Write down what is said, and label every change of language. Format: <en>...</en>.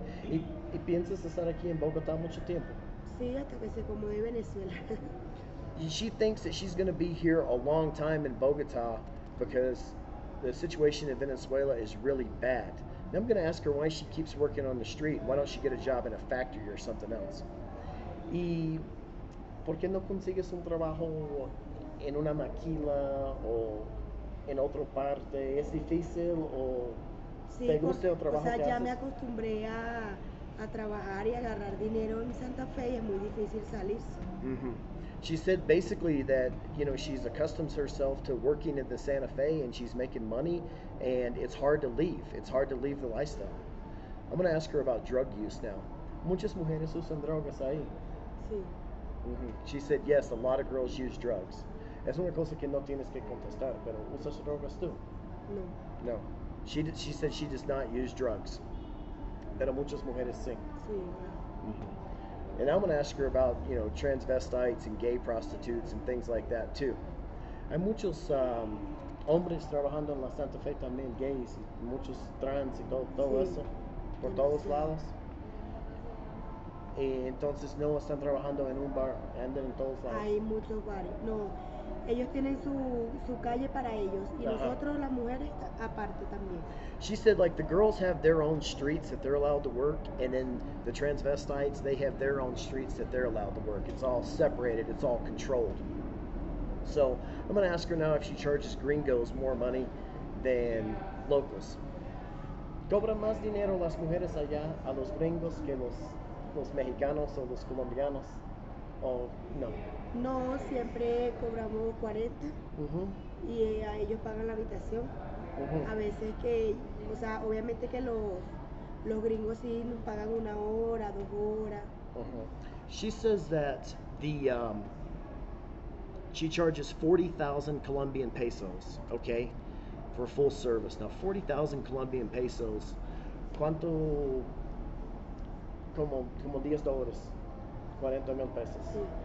<es>¿Y piensas estar aquí en Bogotá mucho tiempo? Sí, hasta que se acomode Venezuela.</es> <en>She thinks that she's going to be here a long time in Bogota because the situation in Venezuela is really bad. And I'm going to ask her why she keeps working on the street. Why don't she get a job in a factory or something else?</en> <es>¿Y por qué no consigues un trabajo en una maquila o en otra parte? ¿Es difícil o sí, te gusta el trabajo que haces? O sea, ya me acostumbré a trabajar y agarrar dinero en Santa Fe y es muy difícil salirse. Mm-hmm.</es> <en>She said basically that, you know, she's accustomed herself to working at the Santa Fe and she's making money and it's hard to leave. It's hard to leave the lifestyle. I'm going to ask her about drug use now.</en> <es>Muchas mujeres usan drogas ahí. Sí.</es> <en>Mm-hmm. She said, yes, a lot of girls use drugs.</en> <es>Es una cosa que no tienes que contestar, pero ¿usas drogas tú? No.</es> <en>No. She said she does not use drugs.</en> <es>Pero muchas mujeres sí. Sí. Mm-hmm.</es> <en>And I'm going to ask her about, you know, transvestites and gay prostitutes and things like that, too.</en> <es>Hay muchos hombres trabajando en la Santa Fe también, gays, y muchos trans y todo sí. Eso, por todos lados. Y entonces no están trabajando en un bar, andan en todos lados. Hay muchos bares, no. Ellos tienen su calle para ellos, y nosotros, las mujeres, aparte también.</es> <en>She said, like, the girls have their own streets that they're allowed to work, and then the transvestites, they have their own streets that they're allowed to work. It's all separated. It's all controlled. So I'm going to ask her now if she charges gringos more money than locals.</en> <es>¿Cobran más dinero las mujeres allá a los gringos que los mexicanos o los colombianos? ¿O no? No, siempre cobramos 40. Uh-huh. Y a ellos pagan la habitación. Uh-huh. A veces que, o sea, obviamente que los gringos sí nos pagan una hora, dos horas. Uh-huh.</es> <en>She says that the she charges 40,000 Colombian pesos, okay, for full service. Now, 40,000 Colombian pesos, ¿cuánto?</en> <es>Como $10, 40 mil pesos. Sí.</es>